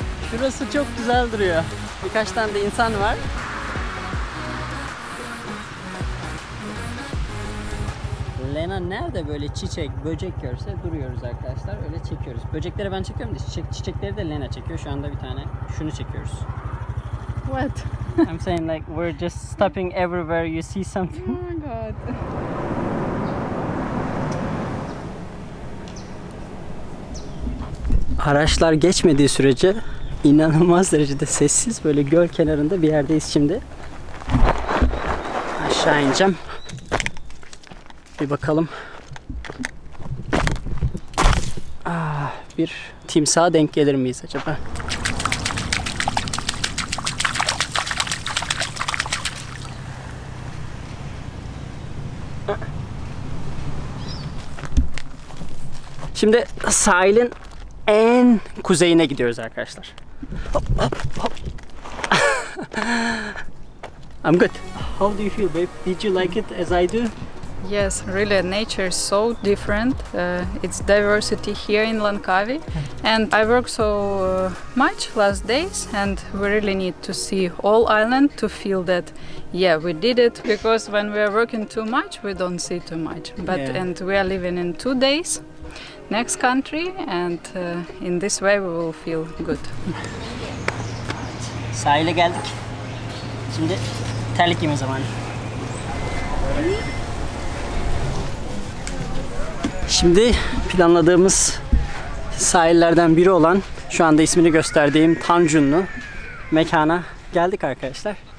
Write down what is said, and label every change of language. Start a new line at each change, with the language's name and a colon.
Turkish: Şurası çok güzel duruyor. Birkaç tane de insan var. Lena nerede böyle çiçek, böcek görse duruyoruz arkadaşlar. Öyle çekiyoruz. Böcekleri ben çekiyorum da çiçekleri de Lena çekiyor. Şu anda bir tane şunu çekiyoruz.
English: What? I'm saying like we're just stopping everywhere you see something. Oh my god.
Turkish: Araçlar geçmediği sürece inanılmaz derecede sessiz, böyle göl kenarında bir yerdeyiz şimdi. Aşağı ineceğim. Bir bakalım. Ah, bir timsah denk gelir miyiz acaba? Şimdi sahilin en kuzeyine gidiyoruz arkadaşlar.
English: Hop. I'm good. How do you feel, babe? Did you like it as I do? Yes, really, nature is so different. It's diversity here in Langkawi. And I work so much last days, and we really need to see all island to feel that, yeah, we did it. Because when we are working too much, we don't see too much. But yeah. And we are living in 2 days, next country, and in this way we will feel good.
Turkish: Sahile geldik. Şimdi terlik yiyeyim o zaman. Şimdi planladığımız sahillerden biri olan, şu anda ismini gösterdiğim Tanjunlu mekana geldik arkadaşlar.